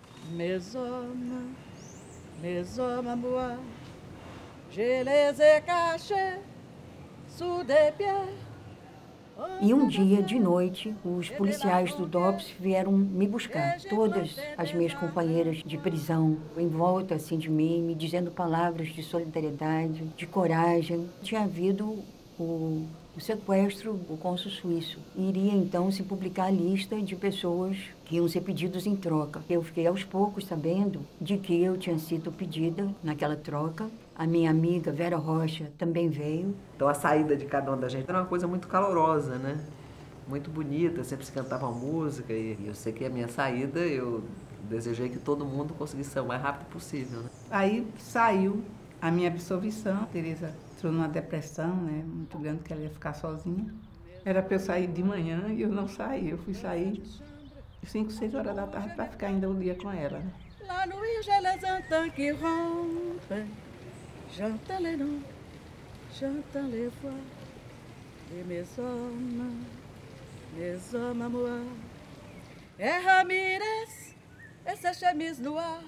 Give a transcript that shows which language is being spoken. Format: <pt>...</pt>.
<fr>mes hommes à moi, je les ai cachés sous des pieds.</fr> <pt>E um dia, de noite, os policiais do DOPS vieram me buscar. Todas as minhas companheiras de prisão em volta assim, de mim, me dizendo palavras de solidariedade, de coragem. Tinha havido o sequestro do cônsul suíço. Iria, então, se publicar a lista de pessoas que iam ser pedidos em troca. Eu fiquei aos poucos sabendo de que eu tinha sido pedida naquela troca. A minha amiga Vera Rocha também veio. Então a saída de cada um da gente era uma coisa muito calorosa, né? Muito bonita, sempre se cantava uma música. E eu sei que a minha saída, eu desejei que todo mundo conseguisse ser o mais rápido possível. Né? Aí saiu a minha absolvição. A Tereza entrou numa depressão, né? Muito grande, que ela ia ficar sozinha. Era para eu sair de manhã e eu não saí. Eu fui sair 5, 6 horas da tarde para ficar ainda um dia com ela. Lá no Rio de Janeiro,</pt> <fr>j'entends les noms, j'entends les voix, et mes hommes à moi. Et Ramirez, et sa chemise noire,</fr>